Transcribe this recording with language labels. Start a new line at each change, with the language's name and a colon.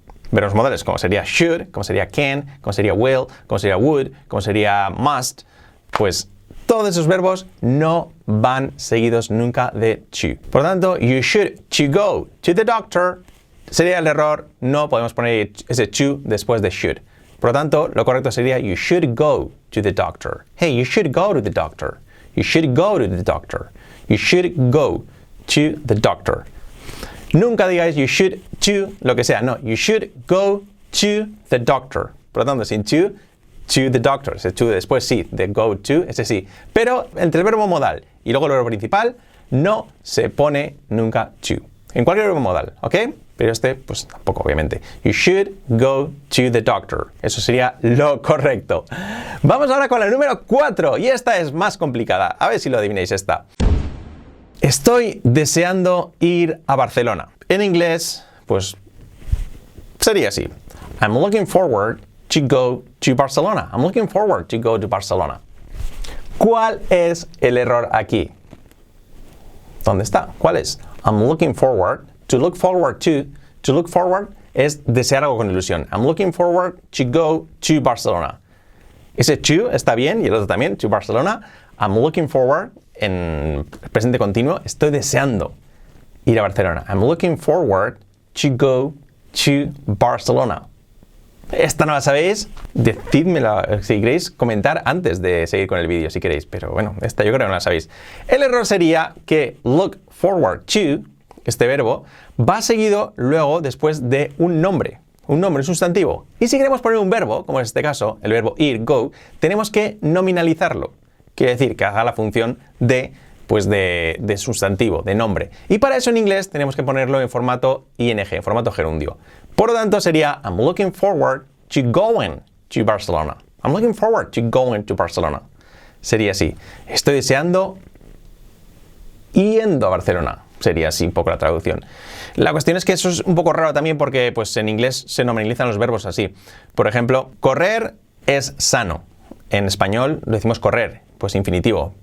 Spanish: Verbos modales, como sería should, como sería can, como sería will, como sería would, como sería must, pues todos esos verbos no van seguidos nunca de to. Por lo tanto,
English: you should to go to the doctor
Spanish: sería el error, no podemos poner ese to después de should. Por lo tanto, lo correcto sería
English: you should go to the doctor. Hey, you should go to the doctor. You should go to the doctor. You should go to the doctor.
Spanish: Nunca digáis
English: you should to
Spanish: lo que sea.
English: No, you should go to the doctor.
Spanish: Por lo tanto, sin
English: to the doctor.
Spanish: Ese to después sí, de go to, ese sí. Pero entre el verbo modal y luego el verbo principal, no se pone nunca to. En cualquier verbo modal, ¿ok? Pero este, pues tampoco, obviamente.
English: You should go to the doctor.
Spanish: Eso sería lo correcto. Vamos ahora con la número 4. Y esta es más complicada. A ver si lo adivináis esta. Estoy deseando ir a Barcelona. En inglés, pues sería así.
English: I'm looking forward to go to Barcelona. I'm looking forward to go to Barcelona.
Spanish: ¿Cuál es el error aquí? ¿Dónde está? ¿Cuál es?
English: I'm looking forward. To look forward to look forward
Spanish: es desear algo con ilusión.
English: I'm looking forward to go to Barcelona.
Spanish: Ese to está bien y el otro también, to Barcelona.
English: I'm looking forward,
Spanish: en presente continuo, estoy deseando ir a Barcelona.
English: I'm looking forward to go to Barcelona.
Spanish: Esta no la sabéis, decídmela si queréis comentar antes de seguir con el vídeo, si queréis. Pero bueno, esta yo creo que no la sabéis. El error sería que look forward to, este verbo, va seguido luego después de un nombre, un sustantivo. Y si queremos poner un verbo, como en este caso, el verbo ir, go, tenemos que nominalizarlo. Quiere decir que haga la función de sustantivo, de nombre. Y para eso en inglés tenemos que ponerlo en formato ing, en formato gerundio. Por lo tanto, sería
English: I'm looking forward to going to Barcelona. I'm looking forward to going to Barcelona.
Spanish: Sería así. Estoy deseando yendo a Barcelona. Sería así un poco la traducción. La cuestión es que eso es un poco raro también porque pues, en inglés se nominalizan los verbos así. Por ejemplo, correr es sano. En español lo decimos correr, pues infinitivo.